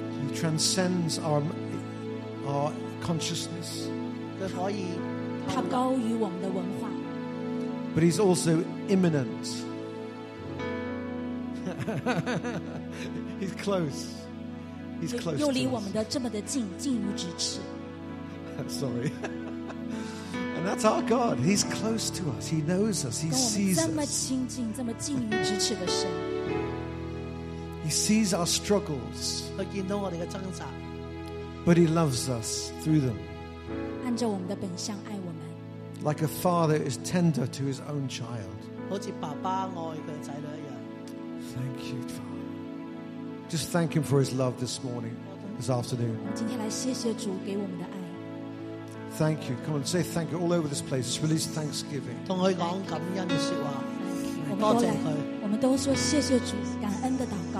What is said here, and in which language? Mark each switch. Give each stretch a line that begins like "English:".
English: He transcends our consciousness.
Chinese: 他高于我们的文化
English: but he's also imminent he's close he's close
Chinese: 又离我们的这么的近近于咫尺
English: sorry and that's our God he's close to us he knows us he sees us
Chinese: 这么亲近这么近于咫尺的神
English: he sees our struggles
Chinese: 他见到我们的挣扎
English: but he loves us through them
Chinese: 按照我们的本相爱我们
English: like a father is tender to his own child
Chinese: 好像爸爸爱的子女一样
English: thank you father just thank him for his love this morning this afternoon
Chinese: 今天来谢谢主给我们的爱
English: thank you come on say thank you all over this place just release thanksgiving
Chinese: 跟他讲感恩的说话多谢他我们都说谢谢主感恩的祷告